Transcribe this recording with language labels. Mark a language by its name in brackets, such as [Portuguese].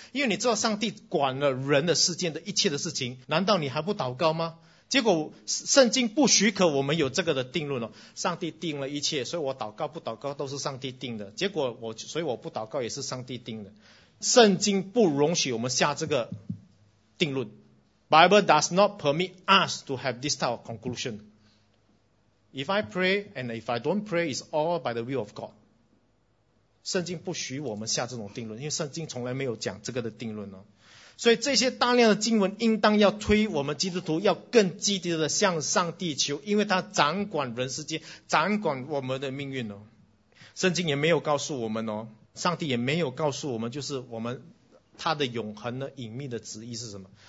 [Chinese] 因为你知道上帝管了人的世界的一切的事情，难道你还不祷告吗？结果圣经不许可我们有这个的定论哦，上帝定了一切，所以我祷告不祷告都是上帝定的。结果所以我不祷告也是上帝定的。圣经不容许我们下这个定论。 [English] Bible does not permit us to have this type of conclusion. If I pray and if I don't pray, it's all by the will of God. [Chinese] 圣经不许我们下这种定论，因为圣经从来没有讲这个的定论哦。所以这些大量的经文应当要推我们基督徒要更积极的向上帝求，因为他掌管人世间，掌管我们的命运哦。圣经也没有告诉我们哦，上帝也没有告诉我们，就是我们他的永恒的隐秘的旨意是什么。